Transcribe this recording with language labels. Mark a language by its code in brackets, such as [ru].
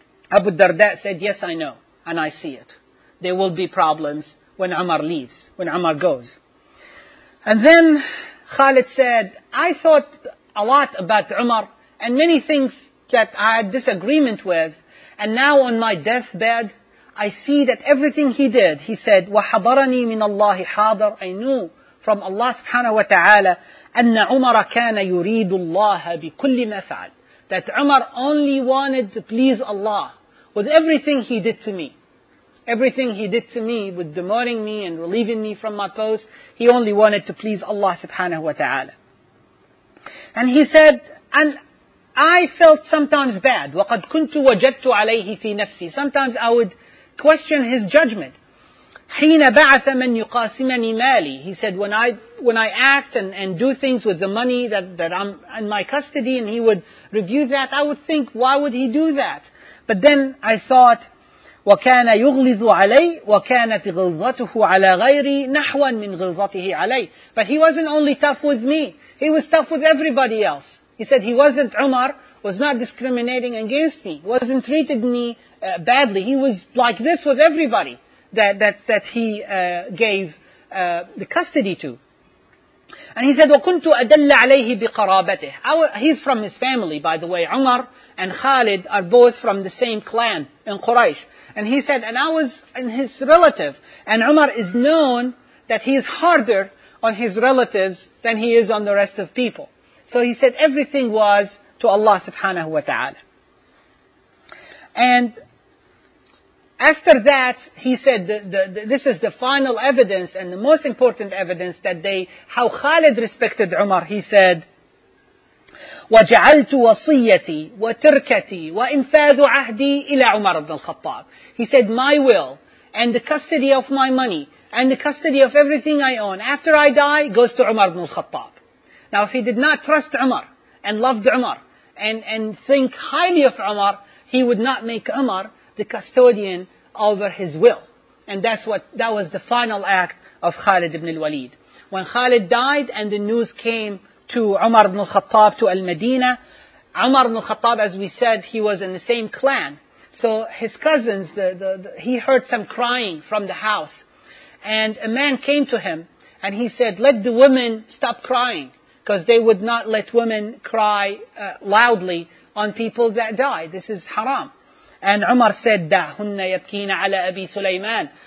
[en] Abu Darda said, yes, I know, and I see it. There will be problems when Umar leaves, when Umar goes. And then Khalid said, I thought a lot about Umar and many things that I had disagreement with. And now on my deathbed, I see that everything he did, he said, [ar] وَحَضَرَنِي مِنَ اللَّهِ حَاضَرٍ. [en] I knew from Allah subhanahu wa ta'ala, [ar] أَنَّ عُمَرَ كَانَ يُرِيدُ اللَّهَ بِكُلِّ مَا فَعَلْ. [en] That Umar only wanted to please Allah with everything he did to me. Everything he did to me, with demoting me and relieving me from my post, he only wanted to please Allah subhanahu wa ta'ala. And he said, and I felt sometimes bad. [ar] وَقَدْ كُنْتُ وَجَدْتُ عَلَيْهِ فِي نَفْسِي. [en] Sometimes I would question his judgment. [ar] حِينَ بَعَثَ مَنْ يُقَاسِمَنِي مَالِي. [en] He said, when I act and do things with the money that I'm in my custody, and he would review that, I would think, why would he do that? But then I thought, [ar] وَكَانَ يُغْلِظُ عَلَيْ وَكَانَتْ غِلْظَتُهُ عَلَى غَيْرِي نَحْوًا مِنْ غِلْظَتِهِ عَلَيْ. [en] But he wasn't only tough with me. He was tough with everybody else. He said, he wasn't Umar, was not discriminating against me, wasn't treated me badly. He was like this with everybody that he gave the custody to. And he said, [ar] وَكُنْتُ أَدَلَّ عَلَيْهِ بِقَرَابَتِهِ. [en] He's from his family, by the way. Umar and Khalid are both from the same clan in Quraysh. And he said, and I was in his relative. And Umar is known that he is harder on his relatives than he is on the rest of people. So he said, everything was to Allah subhanahu wa ta'ala. And after that, he said, this is the final evidence and the most important evidence that they, how Khalid respected Umar. He said, [ar] وَجَعَلْتُ وَصِيَّتِي وَتِرْكَتِي وَإِنْفَاذُ عَهْدِي إِلَى عُمَرَ بْنَ الْخَطَّابِ. [en] He said, my will and the custody of my money and the custody of everything I own after I die goes to Umar ibn al-Khattab. Now, if he did not trust Umar and loved Umar and think highly of Umar, he would not make Umar the custodian over his will. And that was the final act of Khalid ibn al-Walid. When Khalid died and the news came to Umar ibn al-Khattab, to al-Madinah, Umar ibn al-Khattab, as we said, he was in the same clan. So his cousins, he heard some crying from the house. And a man came to him and he said, let the women stop crying, because they would not let women cry loudly on people that die. This is haram. And Umar said, [ar] دَعْهُنَّ يَبْكِينَ عَلَى أَبِي سُلَيْمَانَ.